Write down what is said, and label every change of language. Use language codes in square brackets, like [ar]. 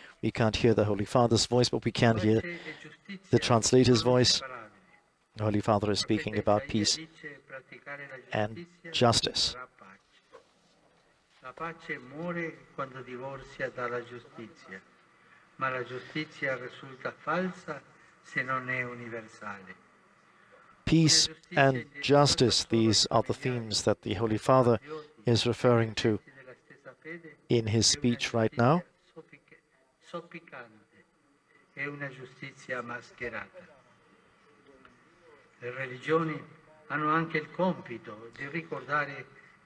[en] We can't hear the Holy Father's voice, but we can hear the translator's voice. The Holy Father is speaking about peace and justice. [it] La pace muore quando divorzia dalla giustizia, ma la giustizia risulta falsa se non è universale. [en] Peace and justice, these are the themes that the Holy Father is referring to in his speech right now. [it] Sofficante è una giustizia mascherata. Le religioni hanno anche il compito di ricordare.